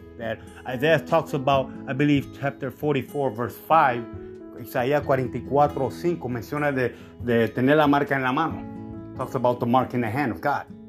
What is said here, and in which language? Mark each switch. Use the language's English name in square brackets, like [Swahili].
[English] That Isaiah talks about, I believe, chapter 44, verse 5. [Spanish] Isaías 44:5 menciona de tener la marca en la mano. [English] Talks about the mark in the hand of God.